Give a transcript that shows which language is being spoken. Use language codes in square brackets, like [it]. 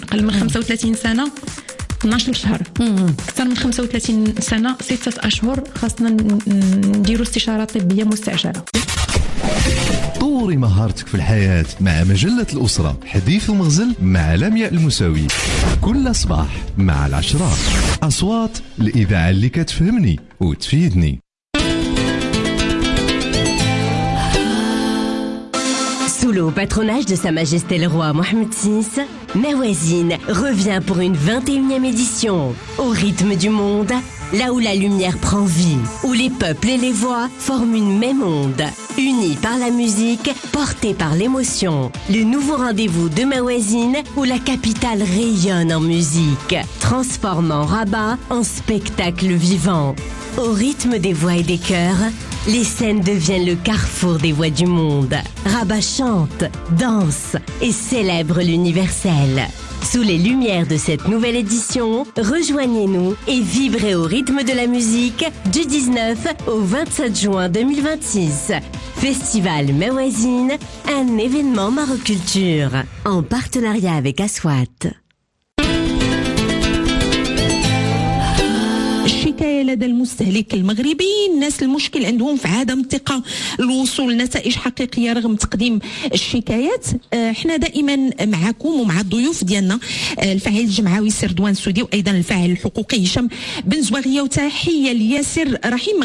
[ar] قل من 35 سنه 12 شهر اكثر من 35 سنه 6 اشهر خاصنا نديروا استشاره طبيه مستعجله طوري مهارتك في الحياة مع مجلة الأسرة، حديث مغزل مع لمياء المساوي، كل صباح مع العشرة. أصوات الإذاعة اللي كتفهمني وتفيدني. [fr] Sous le patronage de Sa Majesté le Roi Mohamed VI, Ma Voisine revient pour une 21e édition. Au rythme du monde, là où la lumière prend vie, où les peuples et les voix forment une même onde. Unis par la musique, portés par l'émotion. Le nouveau rendez-vous de Ma Voisine, où la capitale rayonne en musique, transformant Rabat en spectacle vivant. Au rythme des voix et des cœurs, les scènes deviennent le carrefour des voix du monde. Rabat chante, danse et célèbre l'universel. Sous les lumières de cette nouvelle édition, rejoignez-nous et vibrez au rythme de la musique du 19 au 27 juin 2026. Festival Ma Voisine, un événement maroculture, en partenariat avec Aswat. [ar] الحكايه لدى المستهلك المغربي، الناس المشكل عندهم في عدم الثقه الوصول لنتائج حقيقيه رغم تقديم الشكايات. احنا دائما معكم ومع الضيوف ديالنا الفاعل الجمعوي سير دوان سودي وايضا الفاعل الحقوقي هشام بن زباغيه، وتحيه لياسر رحيم.